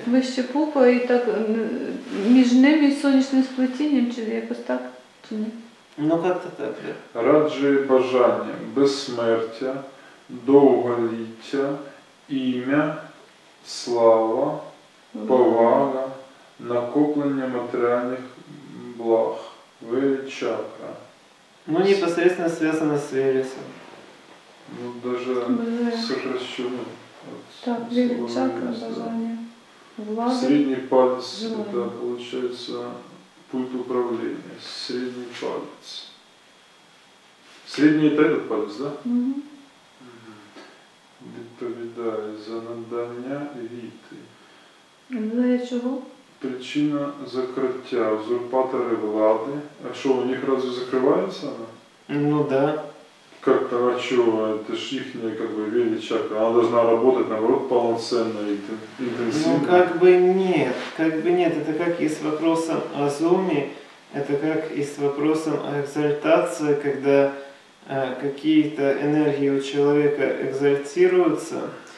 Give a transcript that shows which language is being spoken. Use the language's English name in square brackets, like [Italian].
[Ukrainian] Вище пупа і так між ним і сонячним сплетінням, чи якось так, чи ні? Ну, як-то так, да. Раджує бажання, безсмертя, довголіття, ім'я, слава, повага, накоплення матеріальних благ. Вели чакра. [Russian] Ну, непосредственно связано с Велесом. Ну, даже сокращенно. Так, вели чакра, бажание. Средний палец, это получается пульт управления. Средний палец. Средний это этот палец, да? Угу. [Ukrainian] Відповідає за надання віти. Для чого? Причина закриття, узурпатори влади. А що, у них разве закривається вона? Ну да. Как-то, а чого, це ж їхня, как бы, вели чакра. [Russian] Вона должна работать, наоборот, полноценно и интенсивно. Ну, как бы нет. Как бы нет. Это как и с вопросом о зуме, это как и с вопросом о экзальтации, когда какие-то энергии у человека экзальтируются.